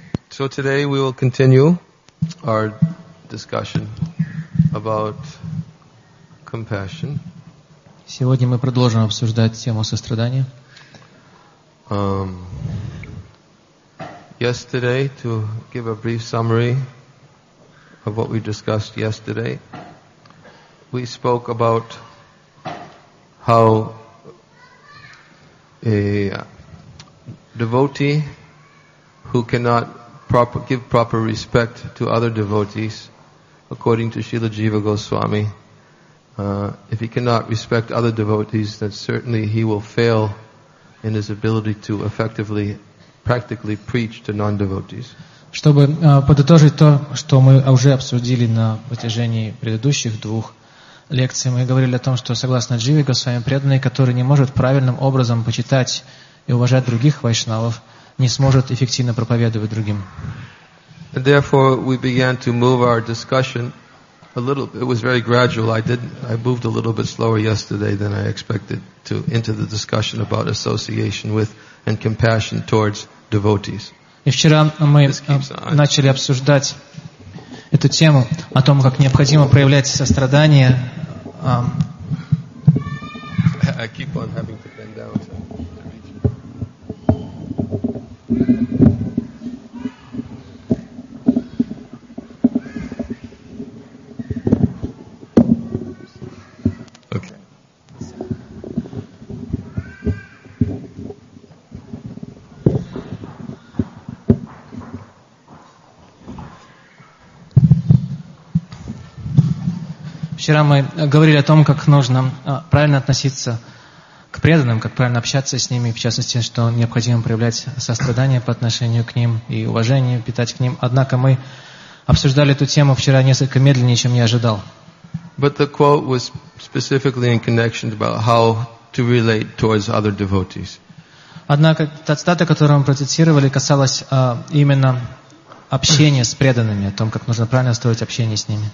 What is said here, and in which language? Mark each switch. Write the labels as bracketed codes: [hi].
[en] So today we will continue our discussion about compassion. [ru] Сегодня мы продолжим обсуждать тему сострадания. [en] Yesterday, to give a brief summary of what we discussed yesterday, we spoke about how a devotee who cannot give proper respect to other devotees, according to Srila Jiva Goswami, if he cannot respect other devotees, then certainly he will fail in his ability to effectively, practically preach to non-devotees. [ru] Чтобы подытожить то, что мы уже обсудили на протяжении предыдущих двух лекции, мы говорили о том, что согласно Дживе Госвами, преданный, который не может правильным образом почитать и уважать других вайшнавов, не сможет эффективно проповедовать другим. [en] And therefore, we began to move our discussion a little bit. It was very gradual. I moved a little bit slower yesterday than I expected to into the discussion about association with and compassion towards devotees. [ru] И вчера мы начали обсуждать эту тему о том, как необходимо проявлять сострадание. [en] I keep on having to bend down to reach. [ru] Вчера мы говорили о том, как нужно правильно относиться к преданным, как правильно общаться с ними, в частности, что необходимо проявлять сострадание по отношению к ним и уважение питать к ним. Однако мы обсуждали эту тему вчера несколько медленнее, чем я ожидал. [en] But the quote was specifically in connection about how to relate towards other devotees. [ru] Однако та цитата, которую мы процитировали, касалась именно общения с преданными, о том, как нужно правильно строить общение с ними.